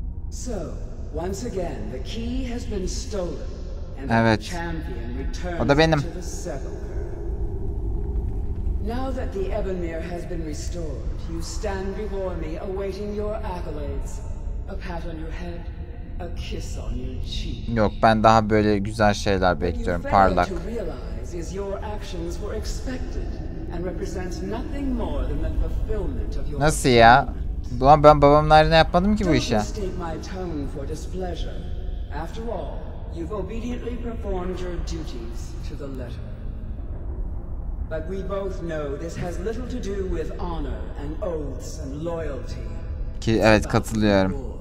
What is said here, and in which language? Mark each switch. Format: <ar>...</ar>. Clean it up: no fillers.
<en>So, once again, the key has been stolen, and the champion returns to the sepulchre. Now that the Ebonmere has been restored, you stand before me awaiting your accolades. A pat on your head, a kiss on your cheek.</en> <tr>Yok, ben daha böyle güzel şeyler bekliyorum, parlak.</tr> <en>What you fail to realize is your actions were expected and represent nothing more than the fulfillment of your...</en> <tr>Nasıl ya? Ulan ben babamın ayrına yapmadım ki bu işe.</tr> <en>Don't mistake my tone for displeasure. After all, you've obediently performed your duties to the letter. But we both know this has little to do with honor and oaths and loyalty.</en> <tr>Ki evet, katılıyorum.</tr>